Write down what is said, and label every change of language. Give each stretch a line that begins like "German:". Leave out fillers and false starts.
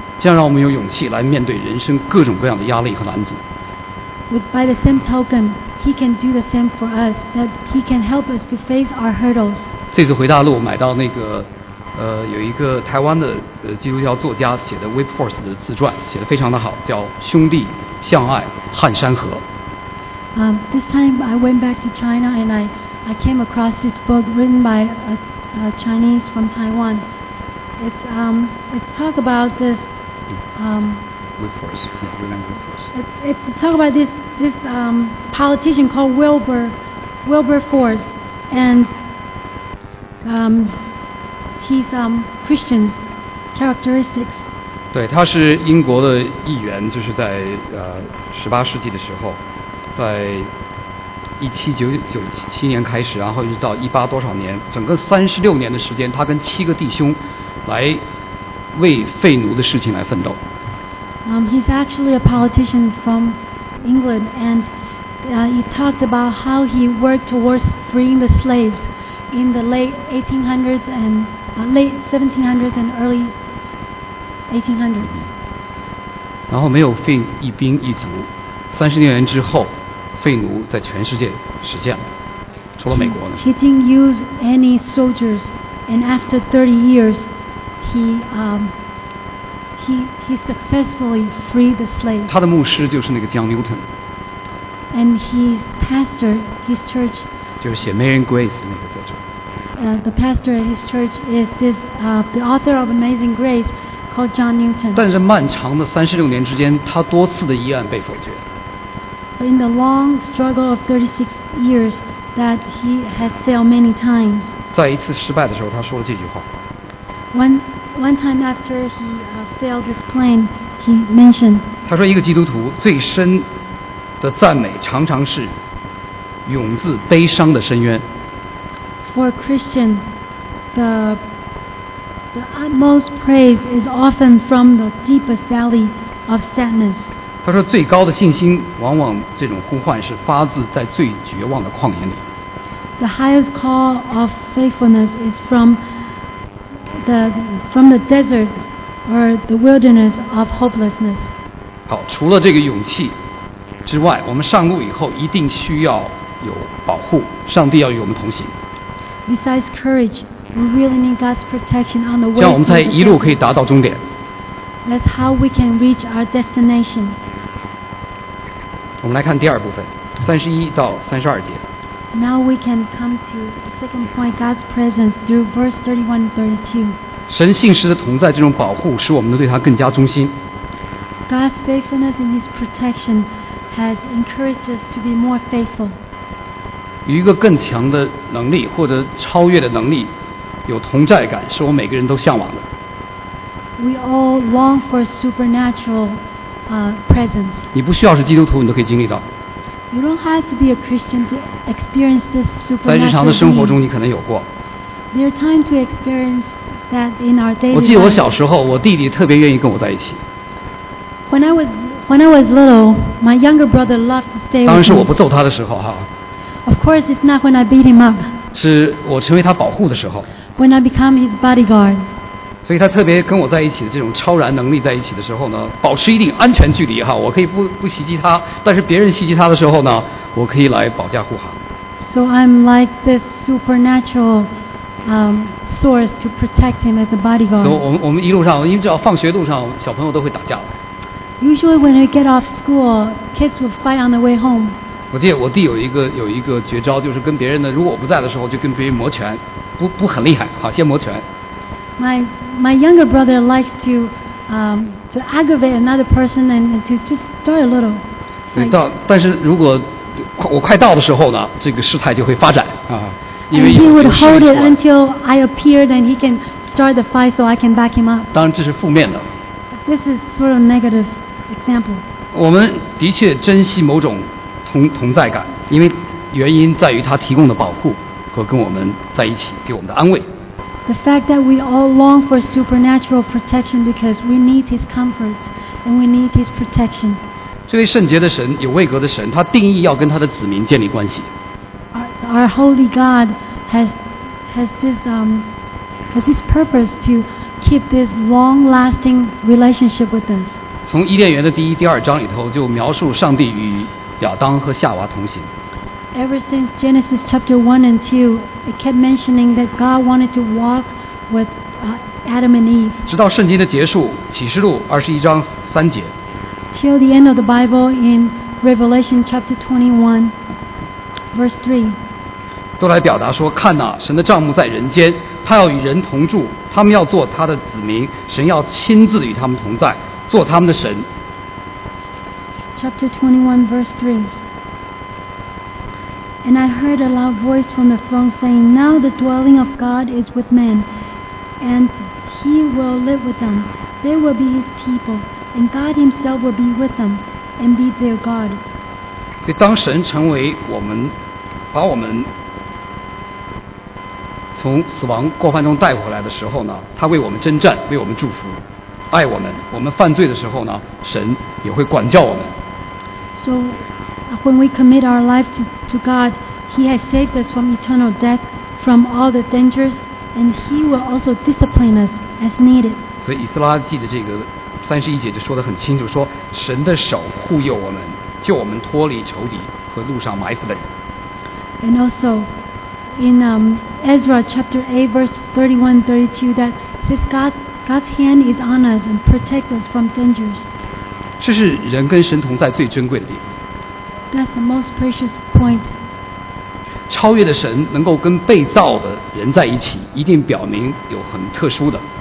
Chinese: 这样让我们有勇气来面对人生各种各样的压力和拦阻。
English: By the same token, he can do the same for us, that he can help us to face our hurdles.
Chinese: 这次回大陆买到那个有一个台湾的基督教作家写的 Wilberforce 的自传，写得非常的好，叫《兄弟相爱撼山河》。
English: This time I went back to China and I came across this book written by a Chinese from Taiwan. It's talk about this. Wilberforce, William Wilberforce. It's talk about this politician called Wilberforce, and he's Christian's characteristics.
Chinese: 对，他是英国的议员，就是在十八世纪的时候，在1797年开始，然后一直到1800多少年，整个36年的时间，他跟七个弟兄来为废奴的事情来奋斗。
English: He's actually a politician from England, and he talked about how he worked towards freeing the slaves in the late 1800s and late 1700s and early 1800s.
Chinese: 然后没有废一兵一卒，三十年之后，废奴在全世界实现了，除了美国呢。
English: He didn't use any soldiers, and after 30 years, he successfully freed the slaves.
Chinese: 他的牧师就是那个John Newton.
English: And his pastor, his church.
Chinese: 就是写《Amazing Grace》那个作者。
English: The pastor at his church is this the author of Amazing Grace called John Newton.
Chinese: 但是漫长的36年之间，他多次的议案被否决。
English: But in the long struggle of 36 years, that he has failed many times.
Chinese: 在一次失败的时候，他说了这句话。
English: One time after he failed this plan, he mentioned.
Chinese: 他说一个基督徒最深的赞美常常是涌自悲伤的深渊。
English: For a Christian, the utmost praise is often from the deepest valley of sadness.
Chinese: 他说最高的信心往往这种呼唤是发自在最绝望的旷野里。
English: The highest call of faithfulness is from the desert or the wilderness of hopelessness.
Chinese: 好，除了这个勇气之外，我们上路以后一定需要有保护，上帝要与我们同行。
English: Besides courage, we really need God's protection on the way.
Chinese: 这样我们才一路可以达到终点。
English: That's how we can reach our destination.
Chinese: 我们来看第二部分，31到32节。
English: Now we can come to the second point, God's presence through verse 31 and 32.
Chinese: 神信实的同在，这种保护使我们对他更加忠心。
English: God's faithfulness and His protection has encouraged us to be more faithful.
Chinese: 与一个更强的能力或者超越的能力有同在感，是我每个人都向往的。
English: We all long for supernatural presence.
Chinese: 你不需要是基督徒，你都可以经历到。
English: You don't have to be a Christian to experience this supernatural.
Chinese: 在日常的生活中，你可能有过。
English: There are times we experience that in our daily.
Chinese: 我记得我小时候，我弟弟特别愿意跟我在一起。
English: When I was little, my younger brother loved to stay with me.
Chinese: 当时我不揍他的时候哈。
English: Of course, it's not when I beat him up.
Chinese: 是我成为他保护的时候。
English: When I become his bodyguard.
Chinese: 所以他特别跟我在一起的这种超然能力在一起的时候呢，保持一定安全距离哈，我可以不袭击他，但是别人袭击他的时候呢，我可以来保驾护航。
English: So I'm like this supernatural. Source to protect him as a bodyguard.
Chinese: So, 我们一路上，因为只要放学路上，小朋友都会打架的。
English: Usually, when we get off school, kids will fight on the way home.
Chinese: 我记得我弟有一个绝招，就是跟别人的，如果我不在的时候，就跟别人磨拳，不很厉害，好先磨拳。
English: My younger brother likes to aggravate another person and to just start a little.
Chinese: 对，但是如果我快到的时候呢，这个事态就会发展啊。
English: And he would hold it until I appeared, and he can start the fight, so I can back him up.
Chinese: 当然，这是负面的。
English: This is sort of negative example.
Chinese: 我们的确珍惜某种同在感，因为原因在于他提供的保护和跟我们在一起给我们的安慰。
English: The fact that we all long for supernatural protection because we need his comfort and we need his protection.
Chinese: 这位圣洁的神，有位格的神，他定义要跟他的子民建立关系。
English: Our holy God has this purpose to keep this long-lasting relationship with us.
Chinese: 从伊甸园的第一、第二章里头就描述上帝与亚当和夏娃同行。
English: Ever since Genesis chapter 1 and 2, it kept mentioning that God wanted to walk with Adam and Eve.
Chinese: 直到圣经的结束，启示录21:3.
English: Till the end of the Bible in Revelation chapter 21:3.
Chinese: 都来表达说，看哪，神的帐幕在人间，他要与人同住，他们要做他的子民，神要亲自与他们同在，做他们的神。
English: Chapter 21, verse 3. And I heard a loud voice from the throne saying, Now the dwelling of God is with men, and he will live with them. They will be his people, and God himself will be with them, and be their God.
Chinese: 所以当神成为我们，把我们从死亡过犯中带回来的时候呢，他为我们征战，为我们祝福，爱我们。我们犯罪的时候呢，神也会管教我们。
English: So, when we commit our life to God, He has saved us from eternal death, from all the dangers, and He will also discipline us as needed.
Chinese: 所以以斯拉记的这个31节就说得很清楚，说神的手护佑我们，救我们脱离仇敌和路上埋伏的人。
English: And also. In Ezra chapter 8 verse 31-32 that says God's hand is on us and protects us from dangers.
Chinese: 这是人跟神同在最珍贵的地方。
English: That's the most precious point.
Chinese: 超越的神能够跟被造的人在一起，一定表明有很特殊的。